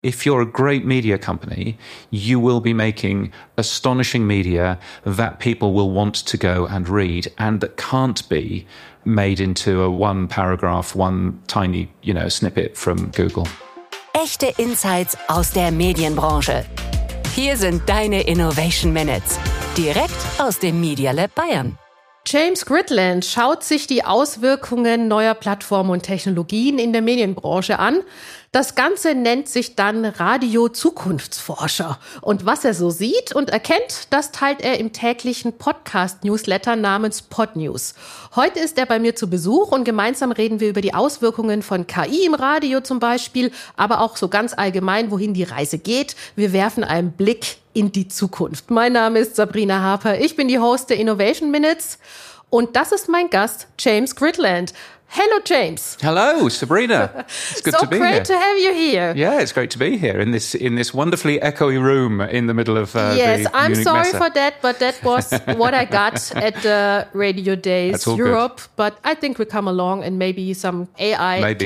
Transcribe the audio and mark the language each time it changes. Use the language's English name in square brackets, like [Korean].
[English] if you're a great media company, you will be making astonishing media that people will want to go and read and that can't be made into a one paragraph, one tiny, you know, snippet from Google. [German] Echte Insights aus der Medienbranche. Hier sind deine Innovation Minutes, direkt aus dem Media Lab Bayern. James Gritland schaut sich die Auswirkungen neuer Plattformen und Technologien in der Medienbranche an. Das Ganze nennt sich dann Radio-Zukunftsforscher. Und was er so sieht und erkennt, das teilt er im täglichen Podcast-Newsletter namens PodNews. Heute ist er bei mir zu Besuch und gemeinsam reden wir über die Auswirkungen von KI im Radio zum Beispiel, aber auch so ganz allgemein, wohin die Reise geht. Wir werfen einen Blick in die Zukunft. Mein Name ist Sabrina Harper, ich bin die Host der Innovation Minutes und das ist mein Gast James Gritland. [English] Hello, James. Hello, Sabrina. It's good to be here. So great to have you here. Yeah, it's great to be here in this wonderfully echoey room in the middle of yes, the I'm Munich sorry Messe. For that, but that was what I got at the Radio Days Europe. Good. But I think we come along and maybe some AI maybe.